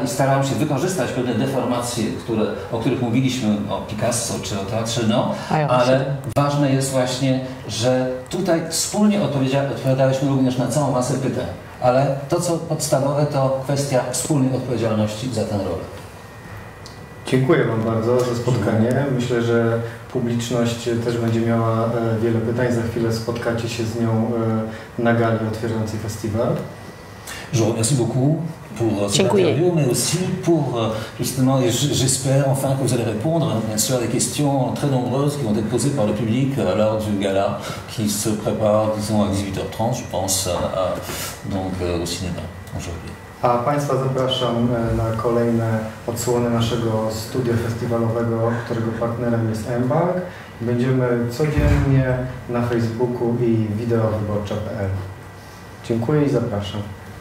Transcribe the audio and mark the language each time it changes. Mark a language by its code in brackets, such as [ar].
[pl] I starałem się wykorzystać pewne deformacje, które, o których mówiliśmy, o Picasso czy o teatrze, no, ale ważne jest właśnie, że tutaj wspólnie odpowiadałyśmy również na całą masę pytań, ale to, co podstawowe, to kwestia wspólnej odpowiedzialności za tę rolę. Dziękuję Wam bardzo za spotkanie. Myślę, że publiczność też będzie miała wiele pytań. Za chwilę spotkacie się z nią na gali otwierającej festiwal. [fr] Je vous remercie beaucoup pour cette interview, mais aussi pour justement, j'espère enfin que vous allez répondre bien sûr à des questions très nombreuses qui vont être posées par le public lors du gala qui se prépare, disons, à 18h30, je pense, donc au cinéma aujourd'hui. [pl] A Państwa zapraszam na kolejne odsłony naszego studia festiwalowego, którego partnerem jest Embark. Będziemy codziennie na Facebooku i wideowyborcza.pl. Dziękuję i zapraszam.